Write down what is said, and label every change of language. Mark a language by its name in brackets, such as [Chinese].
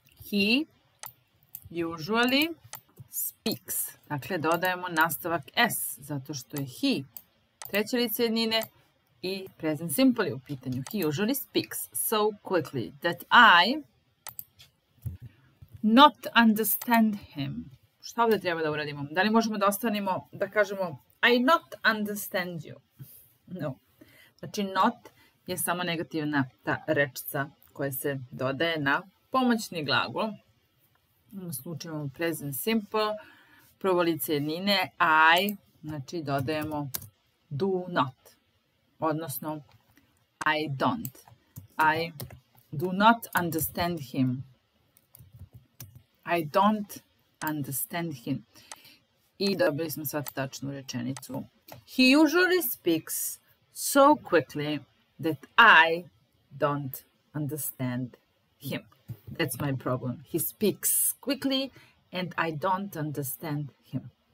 [English] He usually speaks. [Serbian] Dakle, dodajemo nastavak s, zato što je he treće lice jednine i present simple je u pitanju. [English] He usually speaks so quickly that I not understand him. [Serbian] Šta ovde treba da uradimo? Da li možemo da ostanimo, da kažemo [English] I not understand you? No. [Serbian] Znači, not je samo negativna ta rečica koja se dodaje na pomoćni glagol. Slučajmo present simple, prvo lice jednine, I, znači dodajemo [English] do not, [Serbian] odnosno [English] I don't. I do not understand him. I don't understand him. [Serbian] I dobili smo sad tačnu rečenicu. [English] He usually speaks so quickly that I don't understand him. That's my problem. He speaks quickly and I don't understand him.